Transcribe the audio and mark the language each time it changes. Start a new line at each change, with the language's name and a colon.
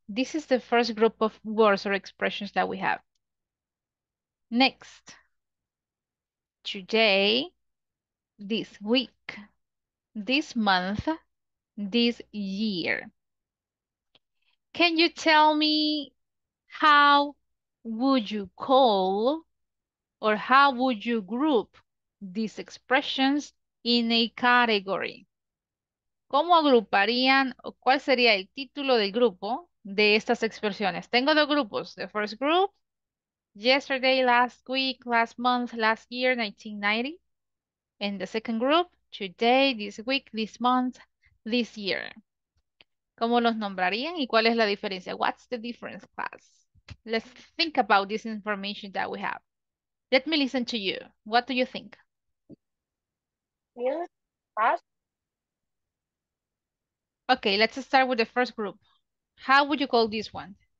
English: This is the first group of words or expressions that we have. Next, today, this week, this month, this year. Can you tell me how would you call or how would you group these expressions in a category?
Spanish: ¿Cómo agruparían o cuál sería el título del grupo de estas expresiones? Tengo dos grupos.
English: The first group, yesterday, last week, last month, last year, 1990. And the second group, today, this week, this month, this year.
Spanish: ¿Cómo los nombrarían y cuál es la diferencia?
English: What's the difference, class? Let's think about this information that we have. Let me listen to you. What do you think? Okay, let's start with the first group. How would you call this one?